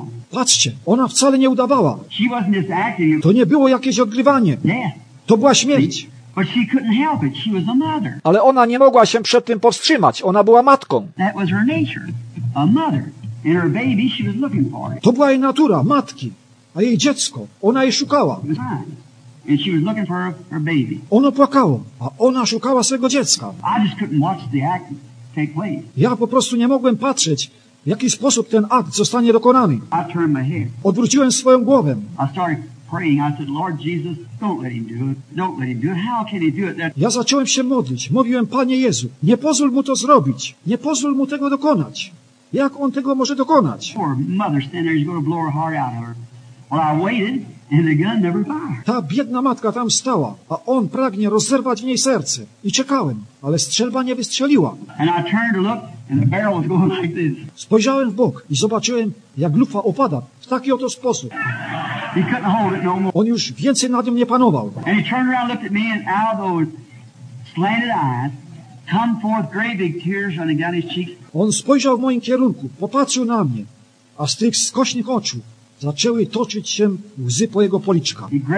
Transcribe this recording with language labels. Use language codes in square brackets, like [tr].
[pl] Patrzcie, ona wcale nie udawała. To nie było jakieś odgrywanie. To była śmierć. [en] But she couldn't help it. She was a mother. [pl] Ale ona nie mogła się przed tym powstrzymać. Ona była matką. [en] That was her nature, a mother. And her baby, she was looking for it. [pl] To była jej natura, matki, a jej dziecko, ona je szukała. [en] And she was looking for her baby. [pl] Ono płakało, a ona szukała swego dziecka. [en] I just couldn't watch the act take place. [pl] Ja po prostu nie mogłem patrzeć, w jaki sposób ten akt zostanie dokonany. [en] I turned my head. [pl] Odwróciłem swoją głowę. [en] I started praying. I said, Lord Jesus, don't let him do it. Don't let him do it. How can he do it? [pl] Ja zacząłem się modlić. Mówiłem, Panie Jezu, nie pozwól mu to zrobić. Nie pozwól mu tego dokonać. Jak on tego może dokonać? [en] Poor mother standing there, he's going to blow her heart out of her. Well, I waited. And the gun never fired. [pl] Ta biedna matka tam stała, a on pragnie rozerwać w niej serce. I czekałem, ale strzelba nie wystrzeliła. [en] And I turned to look, and the barrel was going like this. [pl] Spojrzałem w bok i zobaczyłem, jak lufa opada w taki oto sposób. [en] He couldn't hold it no more. [pl] On już więcej nad nią nie panował. [en] And he turned around, looked at me, and out of those slanted eyes come forth great big tears running down his cheeks. [pl] On spojrzał w moim kierunku, popatrzył na mnie, a z tych skośnych oczu zaczęły toczyć się łzy po jego policzkach.